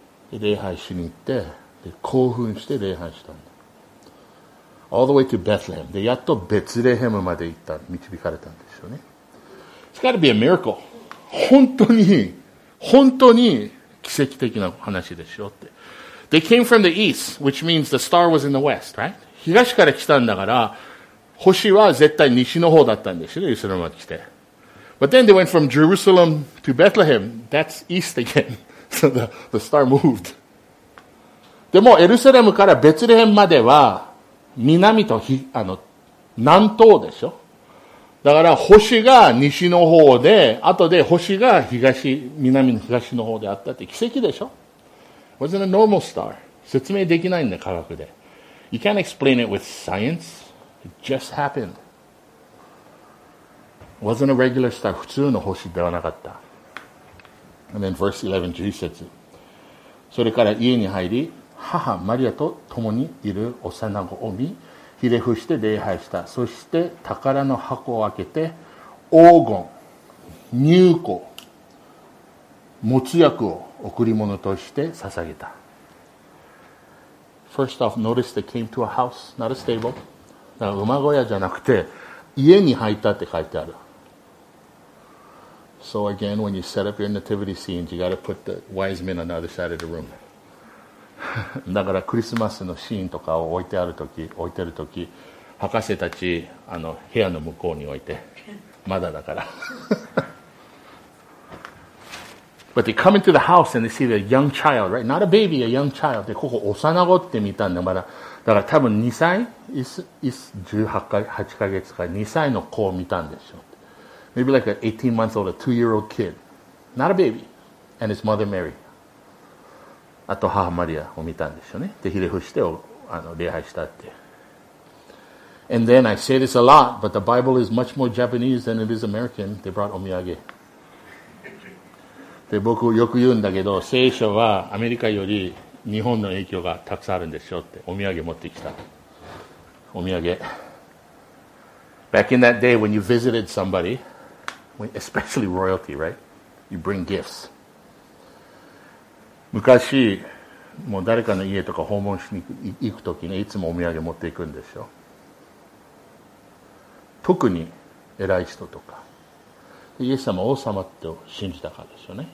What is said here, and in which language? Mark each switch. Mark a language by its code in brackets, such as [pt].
[ja] で、礼拝しに行って、で、興奮して礼拝したんだ。 [en] All the way to Bethlehem. [ja] で、やっとベツレヘムまで行った、導かれたんでしょうね。 [en] It's gotta be a miracle. [ja] 本当に、本当に奇跡的な話でしょって。 [en] They came from the east, which means the star was in the west, right? [ja] 東から来たんだから、星は絶対西の方だったんでしょうね、イスラエルまで来て。 [en] But then they went from Jerusalem to Bethlehem. That's east again. So the star moved. [ja] でも、エルサレムからベツレヘムまでは、南と南東でしょ。だから星が西の方で、後で星が東、南の東の方であったって奇跡でしょ。 [en] It wasn't a normal star. [ja] 説明できないんだ、科学で。 [en] You can't explain it with science. It just happened. It wasn't a regular star. [ja] 普通の星ではなかった。 [en] And then verse 11, Jesus says, [ja] それから家に入り、母マリアと共にいる幼子を見、ひれ伏して礼拝した。そして宝の箱を開けて、黄金、乳香、もつ薬を贈り物として捧げた。 [en] First off, notice they came to a house, not a stable. [ja] 馬小屋じゃなくて、家に入ったって書いてある。 [en] So again, when you set up your nativity scenes, you gotta put the wise men on the other side of the room. [ja] だからクリスマスのシーンとかを置いてあるとき、置いてるとき、博士たち、部屋の向こうに置いて、まだだから。 [en] But they come into the house and they see the young child, right? Not a baby, a young child. [ja] で、ここ幼子って見たんだ、まだ。だから多分2歳、18ヶ月か2歳の子を見たんでしょ。 [en] Maybe like an 18-month-old, a 2-year-old kid. Not a baby. And his mother Mary. [ja] あと母マリアを見たんでしょうね。で、ひれ伏して礼拝したって。 [en] And then I say this a lot, but the Bible is much more Japanese than it is American. They brought お土産。 [ja] で、僕よく言うんだけど、聖書はアメリカより日本の影響がたくさんあるんでしょうって。お土産持ってきた。お土産。 [en] Back in that day when you visited somebody,Especially royalty, right? You bring gifts. [ja] 昔、もう誰かの家とか訪問しに行くときに、いつもお土産持っていくんでしょ。特に偉い人とか。イエス様は王様と信じたからでしょうね。